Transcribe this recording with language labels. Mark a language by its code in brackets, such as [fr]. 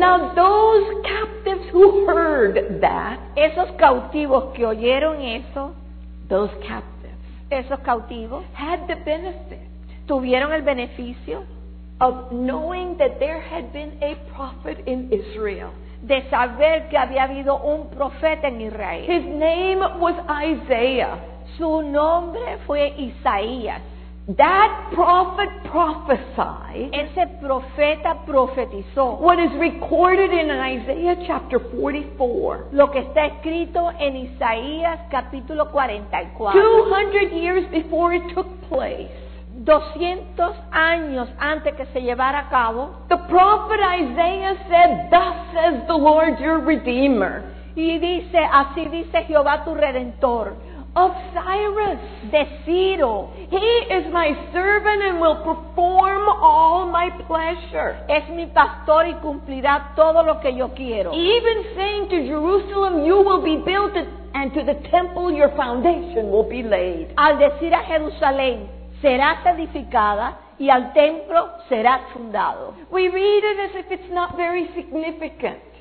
[en] Now those captives who heard that. [es] Esos cautivos que oyeron eso. [en] Those captives. [es] Esos cautivos. [en] Had the benefit. [es] Tuvieron el beneficio. [en] Of knowing that there had been a prophet in Israel. [es] De saber que había habido un profeta en Israel. [en] His name was Isaiah. [es] Su nombre fue Isaías. [en] That prophet prophesied. [es] Ese profeta profetizó. [en] What is recorded in Isaiah chapter 44. [es] Lo que está escrito en Isaías capítulo 44. [en] 200 years before it took place. [es] 200 años antes que se llevara a cabo, [en] the prophet Isaiah said, thus says the Lord your Redeemer. [es] Y dice, así dice Jehová tu Redentor. [en] Of Cyrus. [es] De Ciro. [en] He is my servant and will perform all my pleasure. [es] Es mi pastor y cumplirá todo lo que yo quiero. [en] Even saying to Jerusalem, you will be built and to the temple your foundation will be laid. [es] Al decir a Jerusalén, serás edificada y al templo serás fundado. [en] We read it as if it's not very significant.